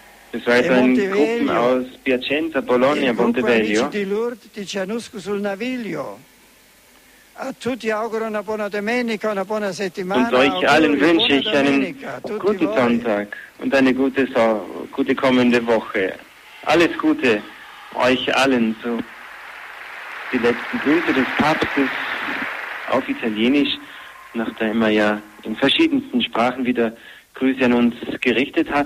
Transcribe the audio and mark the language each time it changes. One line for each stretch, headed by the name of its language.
German: Es war ein Gruppen aus Piacenza, Bologna, Montevideo.
Italian: Di Lourdes, di Cianusco sul Naviglio. A tutti auguro una buona domenica, una buona settimana.
German: Und euch allen wünsche ich einen guten Sonntag und eine gute kommende Woche. Alles Gute euch allen. So die letzten Grüße des Papstes auf Italienisch, nachdem er ja in verschiedensten Sprachen wieder Grüße an uns gerichtet hat.